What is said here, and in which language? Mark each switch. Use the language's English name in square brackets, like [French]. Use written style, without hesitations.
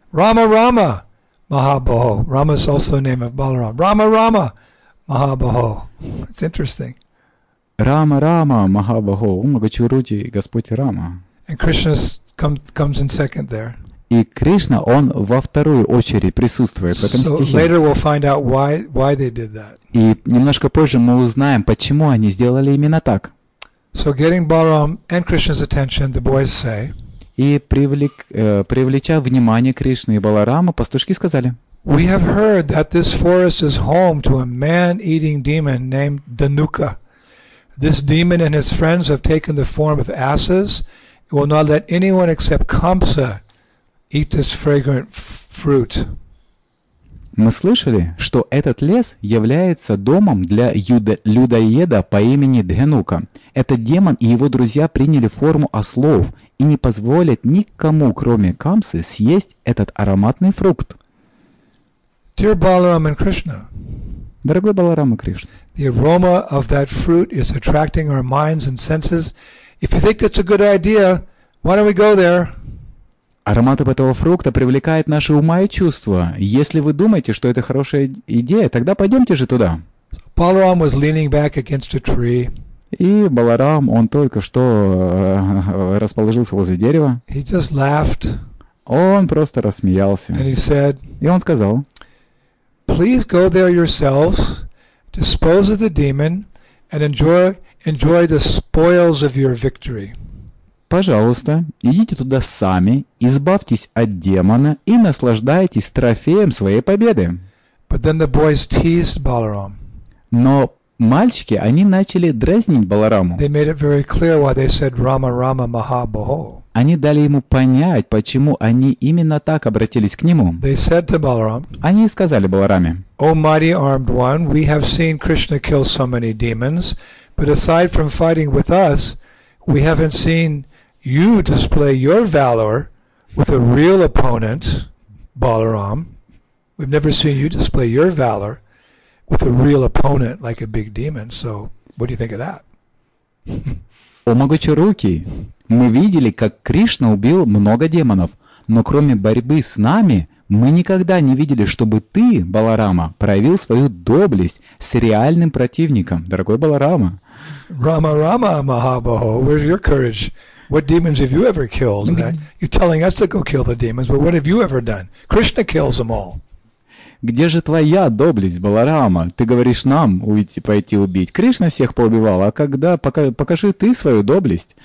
[English] Rama Rama Mahabaho. Rama is also the name of Balarama. Rama Rama Mahabaho. It's interesting. [Russian] Rama Rama Mahabaho. Умагачуруди Господь Рама. [English] And Krishna comes in second there. [Russian] И Кришна, он во вторую очередь присутствует в этом стихе. [English] Later we'll find out why they did that. [Russian] И немножко позже мы узнаем, почему они сделали именно так. [English] So getting Balaram and Krishna's attention, the boys say. [Russian] И привлеча внимание Кришны и Баларама, пастушки сказали. [English] We have heard that this forest is home to a man-eating demon named Danuka. This demon and his friends have taken the form of asses. It will not let anyone except Kamsa eat this fragrant fruit. [Russian] Мы слышали, что этот лес является домом для людоеда по имени Данука. Этот демон и его друзья приняли форму ослов и не позволят никому, кроме Камсы, съесть этот ароматный фрукт. [English] Dear Balaram and Krishna, [Russian] дорогой Баларам и Кришна, [English] the aroma of that fruit is attracting our minds and senses. If you think it's a good idea, why don't we go there? [Russian] Аромат этого фрукта привлекает наши ума и чувства. Если вы думаете, что это хорошая идея, тогда пойдемте же туда. [English] So Balaram was leaning back against a tree. [Russian] И Баларам, он только что расположился возле дерева. [English] He just laughed. [Russian] Он просто рассмеялся. [English] And he said, [Russian] и он сказал, [English] «Please go there yourselves, dispose of the demon, and enjoy the spoils of your victory». [Russian] Пожалуйста, идите туда сами, избавьтесь от демона и наслаждайтесь трофеем своей победы. [English] But then the boys teased Balaram. [Russian] Но мальчики, они начали дразнить Балараму. [English] They made it very clear why they said Rama Rama Mahabaho. [Russian] Они дали ему понять, почему они именно так обратились к нему. [English] They said to Balaram, [Russian] они сказали Балараме: [English] O mighty armed one, we have seen Krishna kill so many demons, but aside from fighting with us, we haven't seen you display your valor with a real opponent, Balaram. We've never seen you display your valor with a real opponent like a big demon. So, what do you think of that? [Russian] О, Могучоруки, мы видели, как Кришна убил много демонов, но кроме борьбы с нами, мы никогда не видели, чтобы ты, Баларама, проявил свою доблесть с реальным противником, дорогой Баларама. [English] Rama Rama Mahabaho, where's your courage? What demons have you ever killed? You're telling us to go kill the demons, but what have you ever done? Krishna kills them all. [Russian] Где же твоя доблесть, Баларама? Ты говоришь нам уйти, пойти убить. Кришна всех поубивал, а когда покажи ты свою доблесть.